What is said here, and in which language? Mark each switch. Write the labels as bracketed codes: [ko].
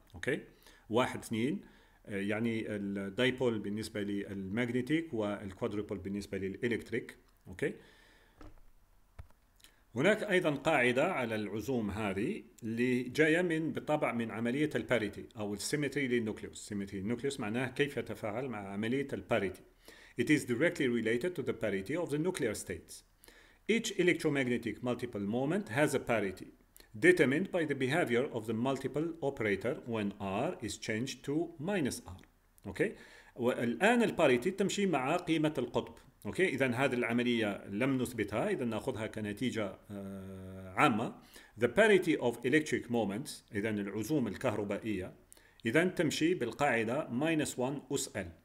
[ar] أوكي، 1 2 يعني الـ dipole بالنسبة للماجنتيك والquadrupole بالنسبة للإلكتريك. أوكي، هناك أيضا قاعدة على العزوم هذه اللي جاية من بالطبع من عملية الباريتي أو السيمتري للنوكليوس. سيمتري للنوكليوس معناه كيف يتفاعل مع عملية الباريتي. [en] It is directly related to the parity of the nuclear states. Each electromagnetic multiple moment has a parity determined by the behavior of the multiple operator when R is changed to minus R. [ar] Okay؟ والآن الباريتي تمشي مع قيمة القطب. أوكي، إذن هذه العملية لم نثبتها، إذن نأخذها كنتيجة عامة. [en] The parity of electric moments، [ar] إذن العزوم الكهربائية، إذن تمشي بالقاعدة minus 1 أس L.